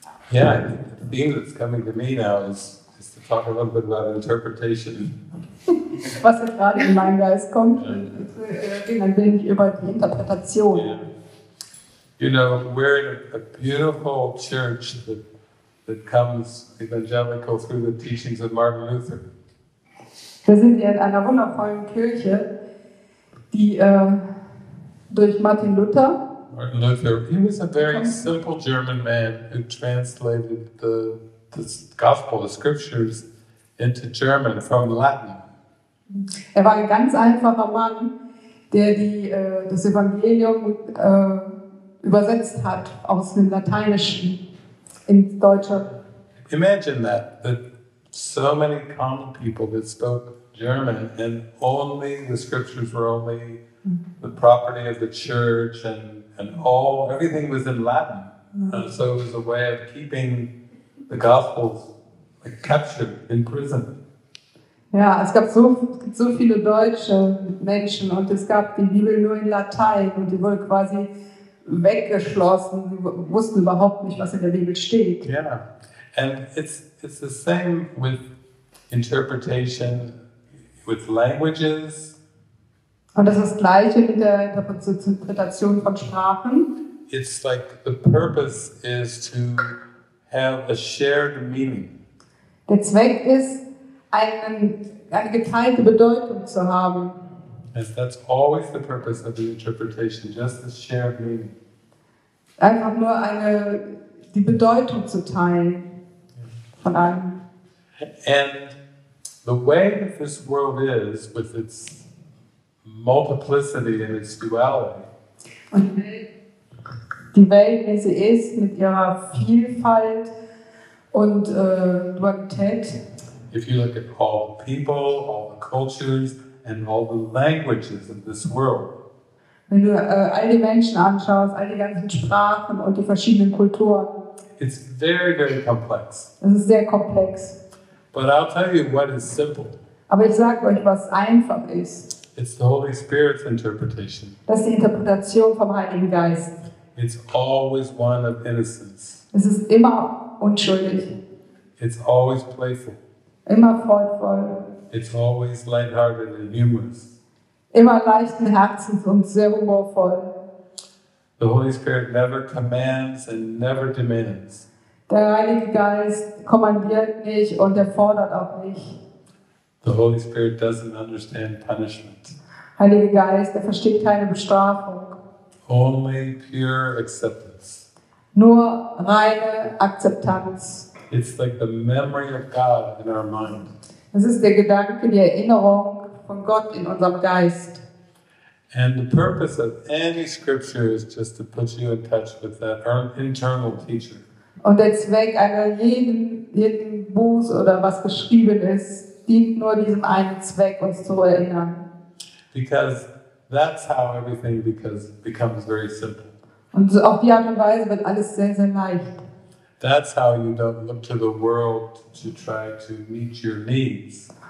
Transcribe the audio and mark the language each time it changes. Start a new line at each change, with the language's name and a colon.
English: Yeah, the thing that's coming to me now is to talk a little bit about interpretation.
German: Was jetzt gerade in meinen Geist kommt, ging ein wenig über die Interpretation.
English: You know, we're in a beautiful church that comes evangelical through the teachings of Martin Luther.
German: Wir sind hier in einer wundervollen Kirche, die durch Martin Luther.
English: Martin Luther, he was a very simple German man who translated the Gospel, the Scriptures, into German from Latin.
German: Er war ein ganz einfacher Mann, der das Evangelium übersetzt hat aus dem Lateinischen ins Deutsche.
English: Imagine that so many common people that spoke German and only the scriptures were only the property of the church and all everything was in Latin. And so it was a way of keeping the gospels like captured in prison.
German: Ja, es gab so viele deutsche Menschen und es gab die Bibel nur in Latein und die wurde quasi weggeschlossen, die wussten überhaupt nicht, was in der Bibel steht.
English: Yeah. And it's the same with interpretation. With languages.
German: Und das ist das Gleiche mit der Interpretation von Sprachen.
English: It's like the purpose is to have a shared meaning.
German: Der Zweck ist, eine geteilte Bedeutung zu haben.
English: And that's always the purpose of the interpretation, just a shared meaning.
German: Einfach nur die Bedeutung zu teilen von allem.
English: And the way that this world is, with its multiplicity in its duality.
German: Die Welt, wie sie ist, mit ihrer Vielfalt und Dualität.
English: If you look at all the people, all the cultures, and all the languages in this world.
German: Wenn du all die Menschen anschaust, all die ganzen Sprachen und die verschiedenen Kulturen.
English: It's very, very complex.
German: Es ist sehr komplex.
English: But I'll tell you what is simple.
German: Aber ich sage euch, was einfach ist.
English: It's the Holy Spirit's interpretation.
German: Das ist die Interpretation vom Heiligen Geist.
English: It's always one of innocence.
German: Es ist immer unschuldig.
English: It's always playful.
German: Immer freudvoll.
English: It's always lighthearted and humorous.
German: Immer leichten Herzens und sehr humorvoll.
English: The Holy Spirit never commands and never demands.
German: Der Heilige Geist kommandiert nicht und er fordert auch nicht.
English: The Holy Spirit doesn't understand punishment.
German: Heiliger Geist, er versteht keine Bestrafung.
English: Only pure acceptance.
German: Nur reine Akzeptanz.
English: It's like the memory of God in our mind.
German: Es ist der Gedanke, die Erinnerung von Gott in unserem Geist.
English: And the purpose of any scripture is just to put you in touch with that internal teacher.
German: Und der Zweck einer jeden Buß oder was geschrieben ist, dient nur diesem einen Zweck, uns zu erinnern.
English: Because that's how everything becomes very simple.
German: Und auf die Art und Weise wird alles sehr, sehr leicht.
English: That's how you don't look to the world to try to meet your needs.